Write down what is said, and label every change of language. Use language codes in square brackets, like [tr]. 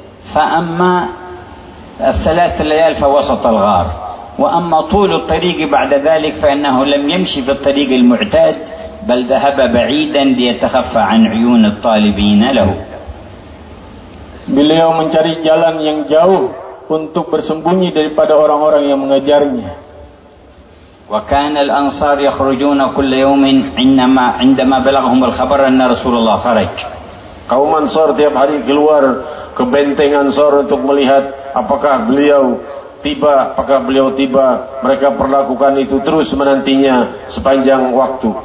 [ar] Fa amma الثلاث ليال فوسط الغار وأما طول الطريق بعد ذلك فإنه لم يمشي في الطريق المعتاد بل ذهب بعيدا ليتخفى عن عيون الطالبين له. [id] Beliau mencari jalan yang jauh untuk bersembunyi daripada orang-orang yang mengejarnya. [ar] وكان الأنصار يخرجون كل يوم عندما بلغهم الخبر أن رسول الله خرج. [id] Kaum Ansar tiap hari keluar ke benteng Ansar untuk melihat apakah beliau tiba, apakah beliau tiba. Mereka perlakukan itu terus menantinya sepanjang waktu.